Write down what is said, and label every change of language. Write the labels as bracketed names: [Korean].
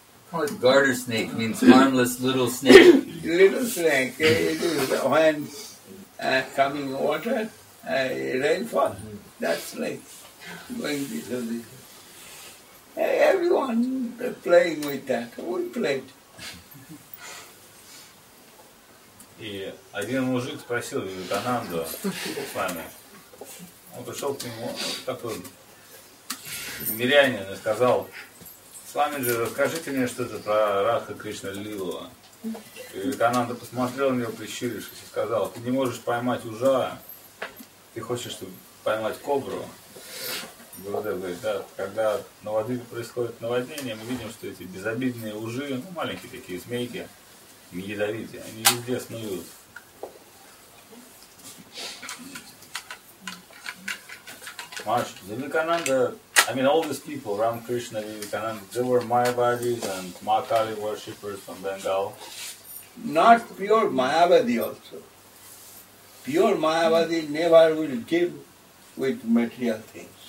[English] Call it garter snake, means harmless little snake. Little snake, it is when coming water, rainfall, mm-hmm. That snake. Going to the, everyone playing with that, we played. [Russian] И один мужик спросил Вивекананду с вами. Он пришел к нему, такой мирянин, и сказал: «Сламиджи, расскажите мне что-то про Радха Кришна Лилу». Вивекананда посмотрел на него, прищурившись, и сказал: «Ты не можешь поймать ужа, ты хочешь, чтобы поймать кобру». Гурудев говорит: «Да, когда на воде происходит наводнение, мы видим, что эти безобидные ужи, ну маленькие такие змейки, не ядовитые, они везде снуют». [English] Маш, Vivekananda, I mean all these people, Ram Krishna, Vivekananda, they were Mayavadis and Mahakali worshippers from Bengal. Not pure Mayavadi also. Pure Mayavadi never will give with material things.